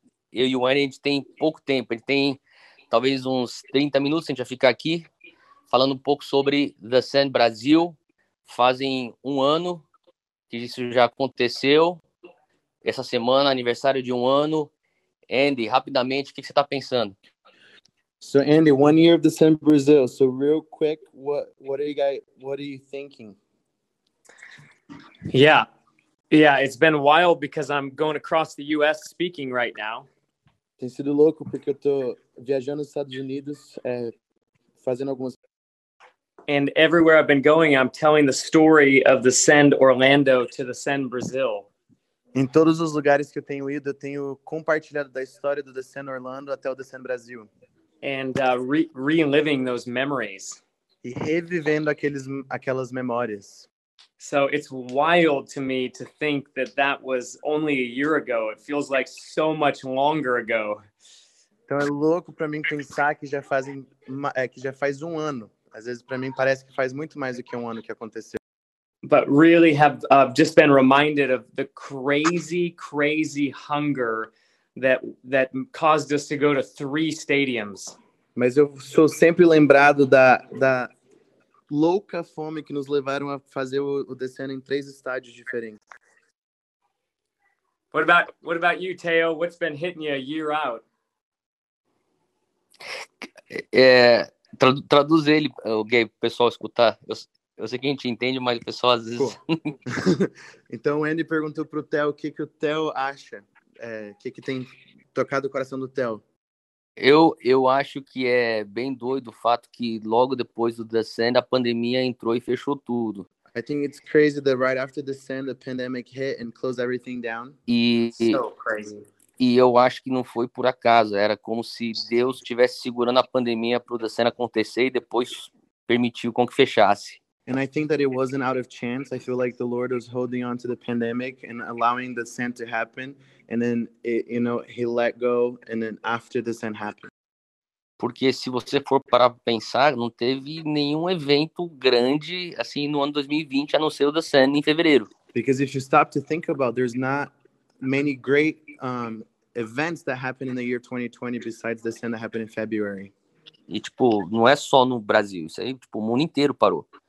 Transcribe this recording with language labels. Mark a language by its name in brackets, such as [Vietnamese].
[Portuguese] Eu e o Wayne, a gente tem pouco tempo, a gente tem talvez uns 30 minutos, a gente vai ficar aqui falando um pouco sobre The Sand Brasil. Fazem um ano que isso já aconteceu, essa semana, aniversário de um ano. Andy, rapidamente, o que você está pensando? [English] So Andy, one year of The Sand Brasil, so real quick, what are you thinking? Yeah, it's been wild because I'm going across the U.S. speaking right now. [Portuguese] Tem sido louco porque eu tô viajando nos Estados Unidos, fazendo algumas... [English] And everywhere I've been going, I'm telling the story of the Send Orlando to the Send Brazil. [Portuguese] Em todos os lugares que eu tenho ido, eu tenho compartilhado da história do The Send Orlando até o The Send Brasil. [English] And reliving those memories. [Portuguese] E revivendo aquelas memórias. [English] So it's wild to me to think that that was only a year ago. It feels like so much longer ago. [Portuguese] Então é louco para mim pensar que já faz um ano. Às vezes para mim parece que faz muito mais do que um ano que aconteceu. [English] But really have just been reminded of the crazy, crazy hunger that caused us to go to three stadiums. [Portuguese] Mas eu sou sempre lembrado da louca fome que nos levaram a fazer o descendo em três estádios diferentes. [English] What about you, Theo? What's been hitting you a year out? [Portuguese] Traduz ele, Gabe, pro pessoal escutar. Eu sei que a gente entende, mas o pessoal às vezes... Então o Andy perguntou pro Theo o que, que o Theo acha. O que tem tocado o coração do Theo? Eu acho que é bem doido o fato que logo depois do The Send, a pandemia entrou e fechou tudo. [English] I think it's crazy that right after The Send, the pandemic hit and closed everything down. [Portuguese] E eu acho que não foi por acaso. Era como se Deus estivesse segurando a pandemia para o The Send acontecer e depois permitiu com que fechasse. [English] And I think that it wasn't out of chance. I feel like the Lord was holding on to the pandemic and allowing the send to happen. And then, he let go. And then after the send happened. [Portuguese] Porque se você for parar para pensar, não teve nenhum evento grande assim no ano 2020, a não ser o The Send em fevereiro. [English] Because if you stop to think about, there's not many great events that happened in the year 2020 besides the send that happened in February. [Portuguese] E tipo, não é só no Brasil, isso aí, tipo, o mundo inteiro parou.